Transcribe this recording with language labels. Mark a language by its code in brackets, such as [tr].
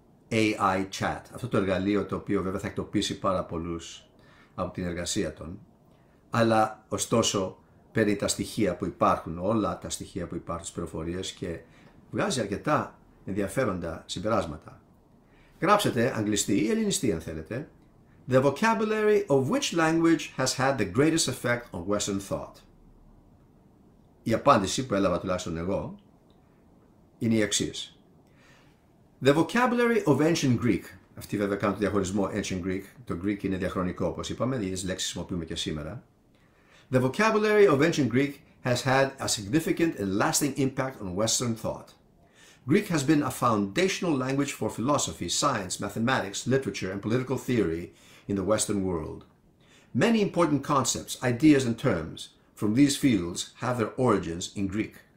[el] AI chat, αυτό το εργαλείο το οποίο βέβαια θα εκτοπίσει πάρα πολλούς από την εργασία των, αλλά ωστόσο παίρνει τα στοιχεία που υπάρχουν, όλα τα στοιχεία που υπάρχουν στις πληροφορίες και βγάζει αρκετά ενδιαφέροντα συμπεράσματα. Γράψετε αγγλιστή ή ελληνιστή αν θέλετε. [en] The vocabulary of which language has had the greatest effect on Western thought? [el] Η απάντηση που έλαβα τουλάχιστον εγώ είναι η εξής. [en] The vocabulary of ancient Greek. Αυτή βέβαια κάνει το διαχωρισμό ancient Greek. [el] Το Greek είναι διαχρονικό όπως είπαμε, γιατί τις λέξεις χρησιμοποιούμε και σήμερα. [en] The vocabulary of ancient Greek has had a significant and lasting impact on Western thought. Greek has been a foundational language for philosophy, science, mathematics, literature and political theory in the Western world. Many important concepts, ideas and terms from these fields have their origins in Greek.